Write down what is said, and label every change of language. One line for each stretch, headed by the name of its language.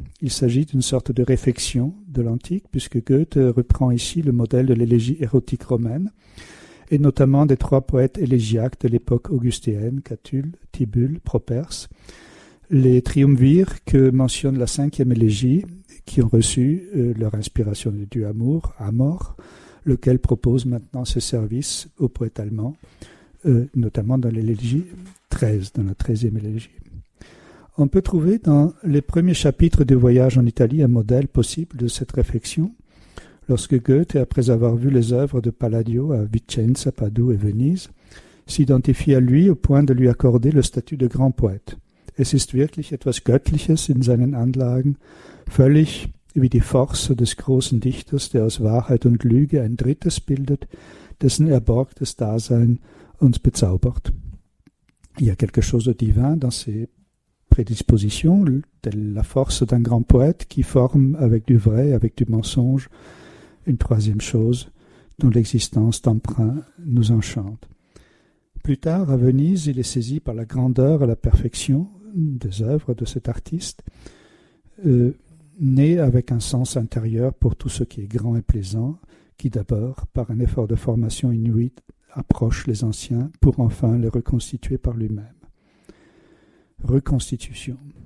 French: Il s'agit d'une sorte de réflexion de l'antique, puisque Goethe reprend ici le modèle de l'élégie érotique romaine, et notamment des trois poètes élégiaques de l'époque augustéenne, Catulle, Tibulle, Properce, les triumvirs que mentionne la cinquième élégie, qui ont reçu leur inspiration du dieu amour, Amor, lequel propose maintenant ses services au poète allemand, notamment dans l'élégie 13, dans la 13e élégie. On peut trouver dans les premiers chapitres du voyage en Italie un modèle possible de cette réflexion, lorsque Goethe, après avoir vu les œuvres de Palladio à Vicenza, Padoue et Venise, s'identifie à lui au point de lui accorder le statut de grand poète.
German: Es ist wirklich etwas Göttliches in seinen Anlagen, völlig wie die Force des großen Dichters, der aus Wahrheit und Lüge ein Drittes bildet, dessen erborgtes Dasein uns bezaubert.
French: Il y a quelque chose de divin dans ces prédispositions, telle la force d'un grand poète qui forme avec du vrai, avec du mensonge, une troisième chose dont l'existence d'emprunt nous enchante. Plus tard, à Venise, il est saisi par la grandeur et la perfection des œuvres de cet artiste, né avec un sens intérieur pour tout ce qui est grand et plaisant, qui d'abord, par un effort de formation inouïe, approche les anciens pour enfin les reconstituer par lui-même. Reconstitution.